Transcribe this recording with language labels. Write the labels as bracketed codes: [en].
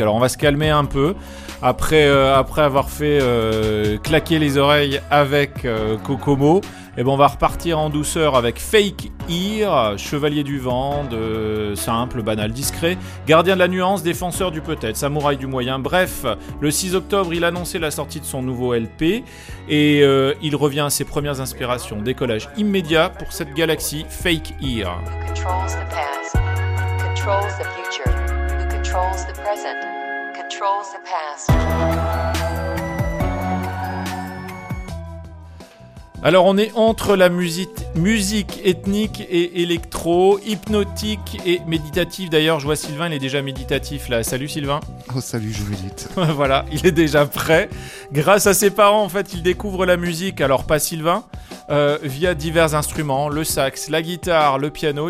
[fr] Alors on va se calmer un peu, après avoir fait claquer les oreilles avec Kokomo, eh bien on va repartir en douceur avec Fake Ear, chevalier du vent, de simple, banal, discret, gardien de la nuance, défenseur du peut-être, samouraï du moyen. Bref, le 6 octobre, il annonçait la sortie de son nouveau LP, et il revient à ses premières inspirations. Décollage immédiat pour cette galaxie, Fake Ear. [en] Who controls the past, controls the future, who controls the present, controls the past. [fr] Alors on est entre la musique ethnique et électro, hypnotique et méditative. D'ailleurs, je vois Sylvain, il est déjà méditatif là. Salut Sylvain. Oh salut, je médite. Voilà, il est déjà prêt. Grâce à ses parents, en fait, il découvre la musique, alors pas Sylvain, via divers instruments, le sax, la guitare, le piano.